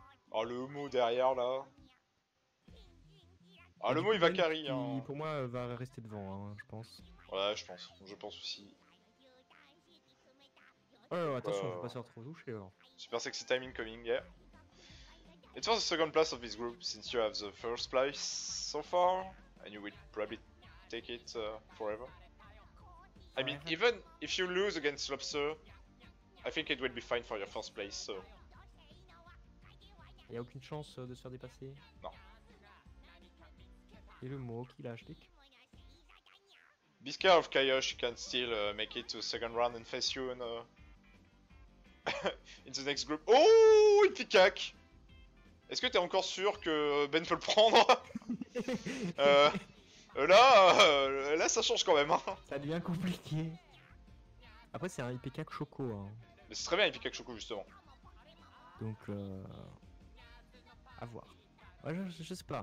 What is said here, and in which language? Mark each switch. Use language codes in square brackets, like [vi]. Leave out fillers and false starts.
[fr] Oh, le mot derrière là. Ah, le mot il va carry, hein. Pour moi va rester devant, hein, je pense. Ouais, je pense aussi. Attention, je vais pas se retrouver touché alors. [en] Super sexy time incoming, yeah. It was the second place of this group, since you have the first place so far, and you will probably take it forever. I mean, even if you lose against Lobster, I think it will be fine for your first place, so... [fr] Y'a aucune chance de se faire dépasser? Non. Et le mot qu'il a acheté? [en] Be scared of Kaioh, she can still make it to second round and face you in, in the next group. [fr] Oh, il pique cac! Est-ce que t'es encore sûr que Ben peut le prendre? Là, ça change quand même, hein. Ça devient compliqué. Après, c'est un IPK Choco, hein. Mais c'est très bien, IPK Choco, justement. Donc, à voir. Ouais, je sais pas.